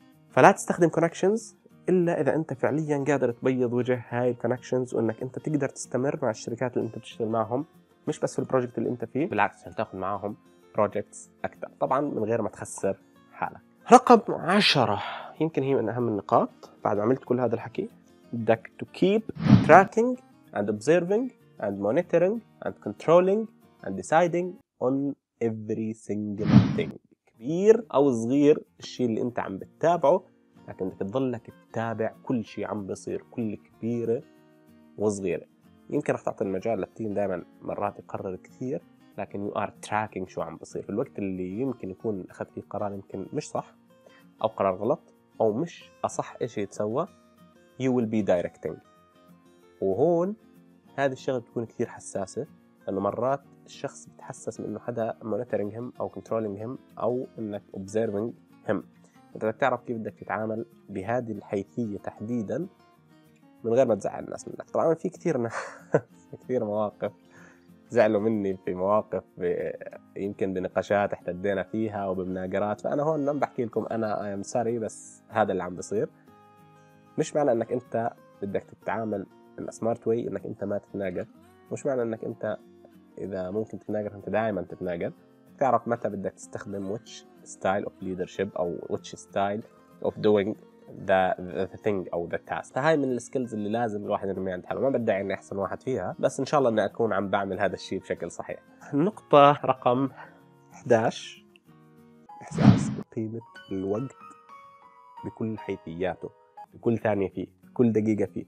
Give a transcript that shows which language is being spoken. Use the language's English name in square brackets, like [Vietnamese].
[Arabic] فلا تستخدم كونكشنز الا اذا انت فعليا قادر تبيض وجه هاي الكونكشنز وانك انت تقدر تستمر مع الشركات اللي انت بتشتغل معهم، مش بس في البروجكت اللي انت فيه، بالعكس عشان تاخذ معاهم projects أكثر طبعا من غير ما تخسر حالك. رقم 10 يمكن هي من أهم النقاط بعد ما عملت كل هذا الحكي، بدك [English] to keep tracking and observing and monitoring and controlling and deciding on every single thing. [Arabic] كبير أو صغير الشيء اللي أنت عم بتتابعه، لكن بدك تضلك تتابع كل شيء عم بيصير، كل كبيرة وصغيرة. يمكن رح تعطي المجال للتيم دائما مرات يقرر كثير، لكن [English] you are tracking [Arabic] شو عم بيصير في الوقت اللي يمكن يكون أخذ فيه قرار يمكن مش صح أو قرار غلط أو مش أصح إيش يتسوى. [English] you will be directing. [Arabic] وهون هذه الشغلة بتكون كثير حساسة، لأنه مرات الشخص بتحسس من أنه حدا [English] monitoring him [Arabic] أو [English] controlling him [Arabic] أو أنك [English] observing him. [Arabic] أنت بتعرف كيف بدك تتعامل بهذه الحيثية تحديدا من غير ما تزعل الناس منك. طبعا في كثير كثير مواقف زعلوا مني في مواقف يمكن بنقاشات احتدينا فيها وبمناقرات، فأنا هون لم بحكي لكم أنا [English] I'm sorry [Arabic] بس هذا اللي عم بصير. مش معنى أنك أنت بدك تتعامل [English] in a smart way [Arabic] أنك أنت ما تتناقل، مش معنى أنك أنت إذا ممكن تتناقل أنت دائما تتناقل. تعرف متى بدك تستخدم [English] which style of leadership [Arabic] أو [English] which style of doing the thing [Arabic] أو [English] the task. [Arabic] فهاي من السكيلز اللي لازم الواحد ينمي عند حاله، ما بدعي أني أحسن واحد فيها، بس إن شاء الله أني أكون عم بعمل هذا الشيء بشكل صحيح. النقطة رقم 11، إحساس بقيمة الوقت بكل حيثياته، بكل ثانية فيه، كل دقيقة فيه.